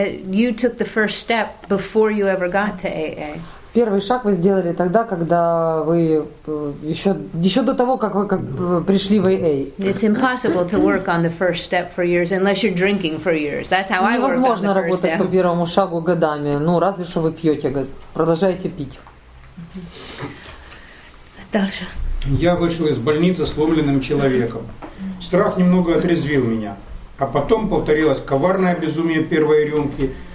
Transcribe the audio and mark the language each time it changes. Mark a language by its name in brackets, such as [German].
[English] You took the first step before you ever got to AA. [Russian] Первый шаг вы сделали тогда, когда вы еще до того, как вы как пришли в АА. [English] It's impossible to work on the first step for years unless you're drinking for years. That's how I work. [Russian] Невозможно работать по первому шагу годами, ну разве что вы пьете, продолжаете пить. Дальше. Я вышел из больницы сломленным человеком. Страх немного отрезвил меня, а потом повторилось коварное безумие первой рюмки.